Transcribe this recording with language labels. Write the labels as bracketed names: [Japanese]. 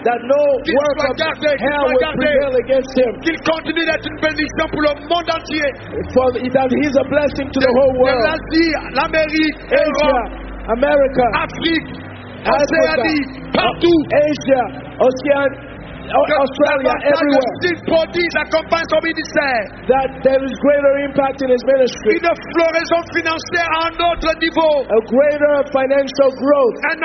[English] That no work of hell will prevail against him. [French] Qu'il continue d'être une bénédiction pour le monde entier. [English] For that he is a blessing to the whole world. [French] De l'Asie, l'Amérique, [English] Asia, America, [French] Afrique, Océanie, partout. [English] Asia, Océanie. Australia, everywhere. That there is greater impact in his ministry. [French] Une floraison financière à un autre niveau. [English] A greater financial growth.